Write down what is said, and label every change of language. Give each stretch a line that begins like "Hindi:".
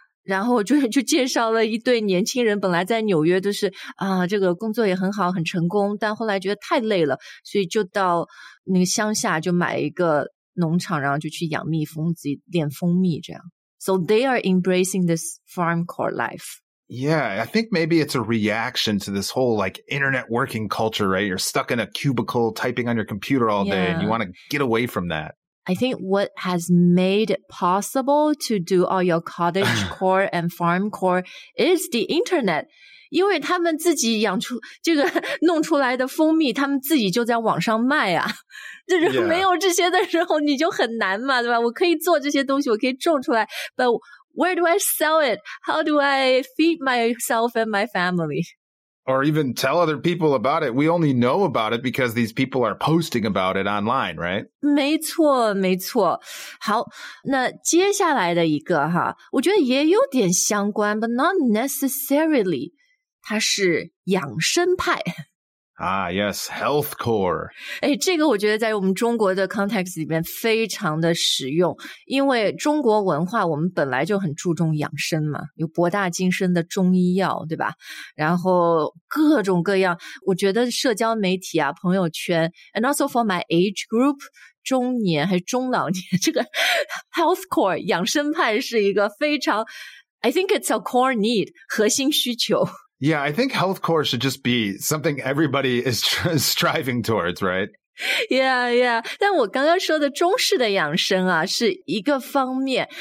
Chinese: 然后就介绍了一对年轻人，本来在纽约都是啊，这个工作也很好，很成功，但后来觉得太累了，所以就到那个乡下就买一个农场，然后就去养蜜蜂，自己炼蜂蜜这样。
English: So they are embracing this farm core life. Yeah, I think maybe it's a reaction to this whole like internet working culture, right? You're stuck in a cubicle typing on your computer all day, and you want to get away from that. I think what has made it possible to do all your cottage core and farm core is the internet.
Chinese: 因为他们自己养出这个弄出来的蜂蜜，他们自己就在网上卖啊。就是没有这些的时候，你就很难嘛，对吧？我可以做这些东西，我可以种出来 ，
English: but where do I sell it? How do I feed myself and my family? Or even tell other people about it? We only know about it because these people are posting about it online, right?
Chinese: 没错，没错。好，那接下来的一个哈，我觉得也有点相关 ，
English: but not necessarily。
Chinese: 它是养生派。
English: Ah, yes, health core.
Chinese: 哎，这个我觉得在我们中国的 context 里面非常的实用，因为中国文化我们本来就很注重养生嘛，有博大精深的中医药，对吧？然后各种各样，我觉得社交媒体啊，朋友圈 ，
English: and also for my age group，
Chinese: 中年还是中老年，这个 health core 养生派是一个非常 ，
English: I think it's a core need
Chinese: 核心需求。
English: Yeah, I think health core should just be something everybody is striving towards, right? Yeah, yeah.
Chinese: 但我刚刚说的中式的养生啊，是一个方面。